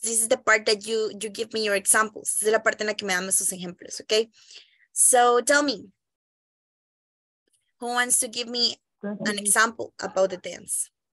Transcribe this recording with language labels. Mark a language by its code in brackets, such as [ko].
[en] This is the part that you give me your examples. [es] Es la parte en la que me dan sus ejemplos, ok? [en] So tell me. Who wants to give me an example about the dance?